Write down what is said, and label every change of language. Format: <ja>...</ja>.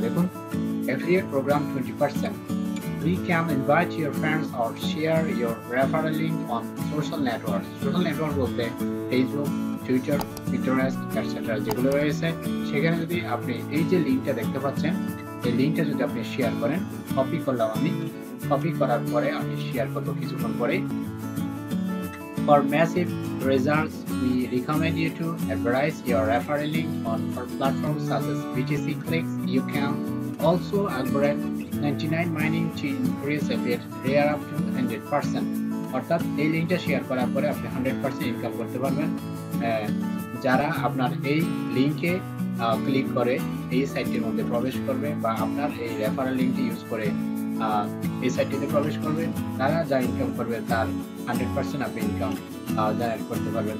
<bn>দেখুন,</bn> <en>Affiliate program 20%, we can invite your friends or share your referral link on social network.</en> <bn>Social network বলতে Facebook, Twitter, Pinterest etcetera যেগুলো রয়েছে, সেখানে যদি আপনি এই যে লিঙ্কটা দেখতে পাচ্ছেন এই লিঙ্কটা যদি আপনি শেয়ার করেন, কপি করলাম আমি, কপি করার পরে আমি শেয়ার করবো কিছুক্ষণ পরে।</bn> <en>For massive results, we recommend you to advertise your referral link on our platform such as BTC clicks. You can also upgrade 99 mining to increase affiliate rear up to 100%.</en> <bn>অর্থাৎ এই লিঙ্কটা share করার পরে আপনি 100% income করতে পারবেন। যারা আপনার এই লিঙ্কে ক্লিক করে এই সাইটটির মধ্যে প্রবেশ করবে বা আপনার এই রেফারেল লিঙ্কটি ইউজ করে এই সাইটটিতে প্রবেশ করবে, তারা যা ইনকাম করবে তার 100% আপনি ইনকাম জেনারেট করতে পারবেন।</bn>